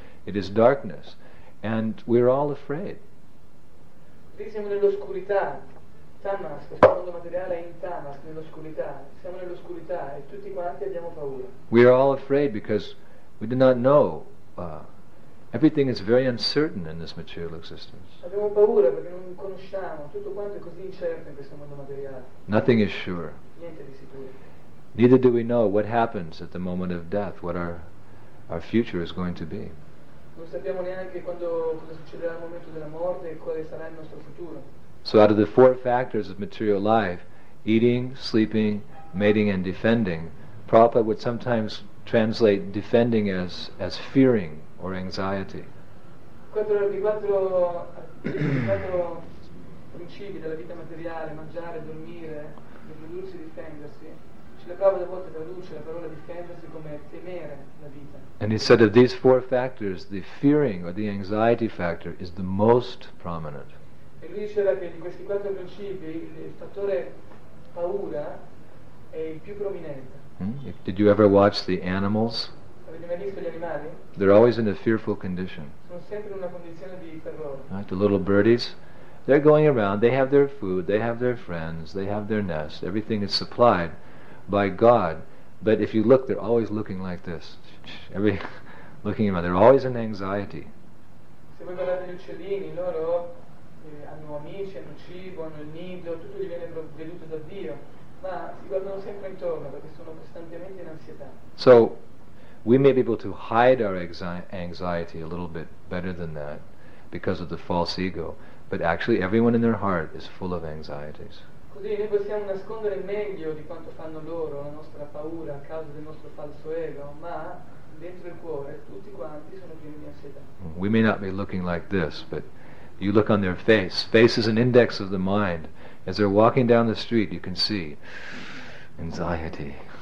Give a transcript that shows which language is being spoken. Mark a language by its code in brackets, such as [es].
[en] It is darkness, and we are all afraid. [it] Lì siamo nell'oscurità. Tamas, questo mondo materiale è in tamas, nell'oscurità. Siamo nell'oscurità e tutti quanti abbiamo paura. [en] We are all afraid because we do not know. Everything is very uncertain in this material existence. [it] Abbiamo paura perché non conosciamo. Tutto quanto è così incerto in questo mondo materiale. [en] Nothing is sure. [it] Niente di sicuro. [en] Neither do we know what happens at the moment of death, what our future is going to be. [it] Non sappiamo neanche quando cosa succederà al momento della morte e quale sarà il nostro futuro. [en] So out of the four factors of material life, eating, sleeping, mating, and defending, Prabhupada would sometimes translate defending as fearing or anxiety. [it] Quattro principi della vita materiale, mangiare, dormire, riprodursi, difendersi. Srila Prabhupada a volte traduce la parola difendersi come temere la vita. [en] And he said of these four factors, the fearing or the anxiety factor is the most prominent. [it] E lui diceva che di questi quattro principi il fattore paura è il più prominente. [en] Did you ever watch the animals? [it] Avete mai visto gli animali? [en] They're always in a fearful condition. [it] Sono sempre in una condizione di terrore. [en] Right, the little birdies, they're going around, they have their food, they have their friends, they have their nest, everything is supplied by God. But if you look, they're always looking like this. Looking around, they're always in anxiety. [it] Se voi guardate gli uccellini, loro hanno amici, hanno cibo, hanno il nido, tutto gli viene provveduto da Dio, ma si guardano sempre intorno perché sono costantemente in ansietà. [en] So we may be able to hide our anxiety a little bit better than that because of the false ego, but actually everyone in their heart is full of anxieties. [it] Così noi possiamo nascondere meglio di quanto fanno loro la nostra paura a causa del nostro falso ego, ma dentro il cuore tutti quanti sono pieni di ansietà. [en] We may not be looking like this, but you look on their face. Face is an index of the mind. As they're walking down the street, you can see anxiety.